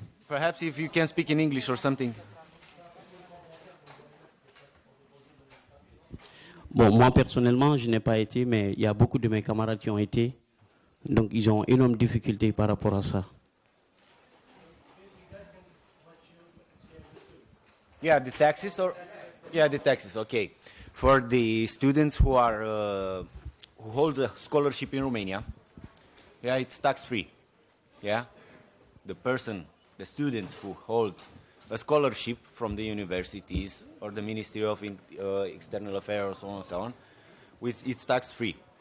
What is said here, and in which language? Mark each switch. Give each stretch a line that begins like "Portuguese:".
English: Perhaps if you can speak in English or something.
French: Bon, moi personnellement, je n'ai pas été, mais il y a beaucoup de mes camarades qui ont été. Donc ils ont énormes difficultés par rapport à ça.
English: Yeah, the taxes or yeah, the taxes, okay. For the students who are who hold a scholarship in Romania, yeah, it's tax-free. Yeah? The students who hold a scholarship from the universities or the Ministry of External Affairs and so on, it's tax-free.